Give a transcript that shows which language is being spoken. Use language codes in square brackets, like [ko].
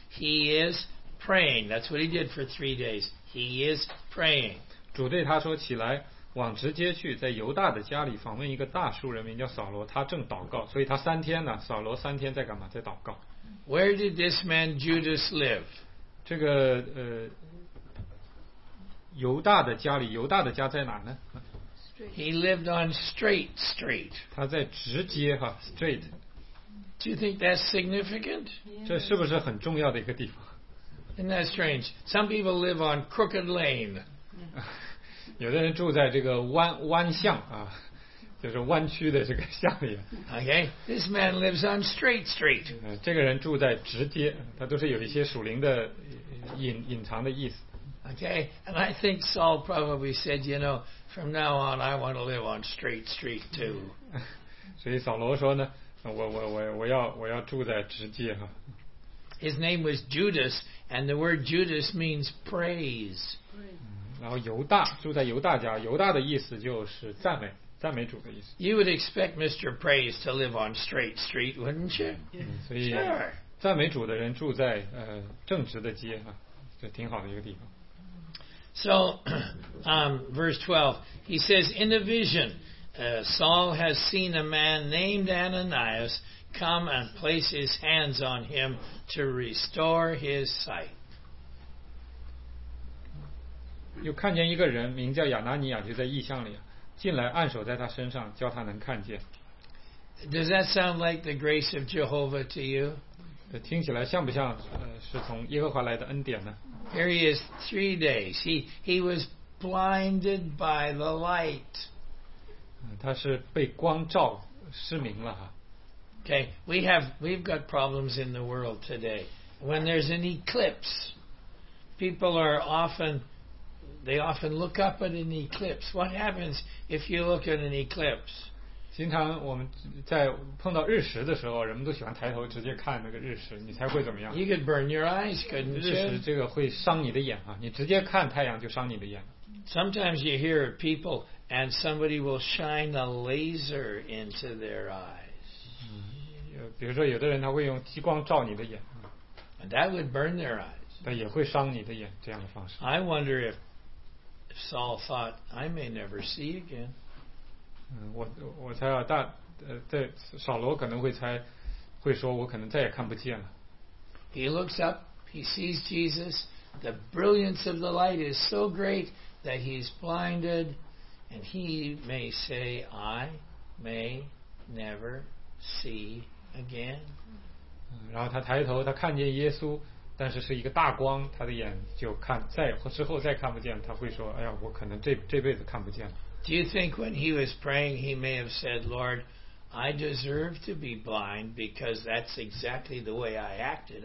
[en] He is praying. That's what he did for 3 days. He is praying. [zh] 主对他说起来往直接去在犹大的家里访问一个大数人名叫扫罗他正祷告所以他三天呢扫罗三天在干嘛在祷告 [en] Where did this man Judas live? [zh] 这个犹大的家里，犹大的家在哪呢？ [en] He lived on Straight Street. [zh] 他在直街哈 ，Straight。 [en] Do you think that's significant? [zh] 这是不是很重要的一个地方？ [en] Isn't that strange? Some people live on Crooked Lane. [zh] 有的人住在这个弯巷啊。就是弯曲的这个巷里。 [en] Okay, this man lives on Straight Street. [zh] 这个人住在直街，他都是有一些属灵的隐藏的意思。 [en] Okay, and I think Saul probably said, you know, from now on, I want to live on Straight Street too. [zh] 所以扫罗说呢，我要住在直街哈。 [en] His name was Judas, and the word Judas means praise. [zh] 然后犹大住在犹大家，犹大的意思就是赞美。 [en] You would expect Mr. Praise to live on Straight Street, wouldn't you? Sure. [zh] 赞美主的人住在正直的街哈，这挺好的一个地方。 [en] So, verse 12, he says, in a vision, Saul has seen a man named Ananias come and place his hands on him to restore his sight. [zh] 又看见一个人名叫亚拿尼亚，就在异象里。进来按手在他身上，叫他能看见。 [en] Does that sound like the grace of Jehovah to you? [zh] 听起来像不像是从耶和华来的恩典呢？ [en] Here he is 3 days. He was blinded by the light. [zh] 他是被光照失明了。 [en] Okay, we've got problems in the world today. When there's an eclipse, people are often... They often look up at an eclipse. What happens if you look at an eclipse? [zh] 经常我们在碰到日食的时候，人们都喜欢抬头直接看那个日食，你猜会怎么样？ [en] You could burn your eyes, couldn't you? [zh] 日食这个会伤你的眼啊！你直接看太阳就伤你的眼。 [en] Sometimes you hear people and somebody will shine a laser into their eyes. [zh] 比如说有的人他会用激光照你的眼。 [en] And that would burn their eyes. [zh] 但也会伤你的眼这样的方式。 [en] I wonder if Saul thought I may never see again. [zh] 我猜啊，在扫罗可能会猜，会说我可能再也看不见了。 [en] He looks up, he sees Jesus. The brilliance of the light is so great that he's blinded, and he may say, "I may never see again." [zh] 然后他抬头，他看见耶稣。但是一个大光，他的眼就看再之后再看不见，他会说：“哎呀，我可能这辈子看不见了。” [en] Do you think when he was praying, he may have said, "Lord, I deserve to be blind because that's exactly the way I acted.